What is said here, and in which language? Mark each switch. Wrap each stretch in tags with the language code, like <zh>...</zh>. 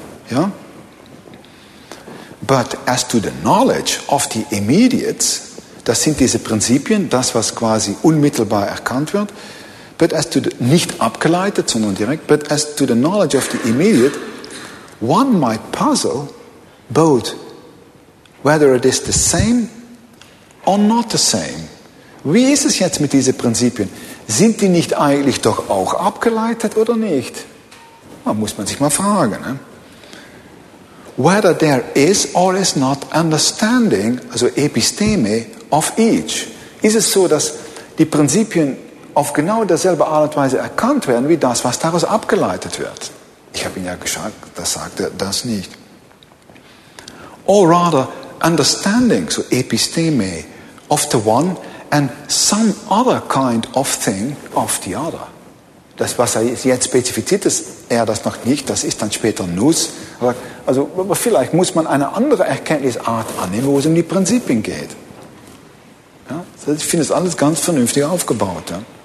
<en>Ja? But as to the knowledge of the immediates,</en> <de>das sind diese Prinzipien, das, was quasi unmittelbar erkannt wird,</de> <en>but as to the,</en> <de>nicht abgeleitet, sondern direkt,</de> <en>but as to the knowledge of the immediate, one might puzzle both whether it is the same or not the same.</en> <de>Wie ist es jetzt mit diesen Prinzipien? Sind die nicht eigentlich doch auch abgeleitet oder nicht? Da muss man sich mal fragen. Ne?</de> <en>Whether there is or is not understanding, also episteme, of each.</en> <de>Ist es so, dass die Prinzipien auf genau derselbe Art und Weise erkannt werden, wie das, was daraus abgeleitet wird? Ich habe ihn ja gesagt, das sagt er das nicht.</de> <en>Or rather, understanding, so episteme, of the one and some other kind of thing of the other.</en> <de>Das, was er jetzt spezifiziert, ist er das noch nicht, das ist dann später Nuss. Also vielleicht muss man eine andere Erkenntnisart annehmen, wo es um die Prinzipien geht. Ja, ich finde es alles ganz vernünftig aufgebaut. Ja.</de>